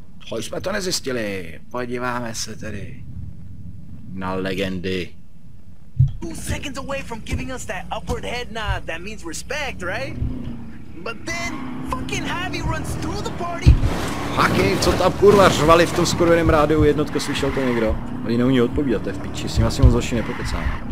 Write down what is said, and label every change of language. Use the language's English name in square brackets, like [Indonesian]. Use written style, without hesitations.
[Czech] To jsme to nezjistili, podíváme se tedy na legendy. [English] Two seconds away from giving us that upward head nod that means respect, right? But then fucking Javi runs through the party. [Czech] Haki, co tam kurva řvali v tom skurveném rádiu, jednotko, slyšel to někdo? Oni neumí odpovídat, to je v piči, s ním asi moc zločí nepokecám.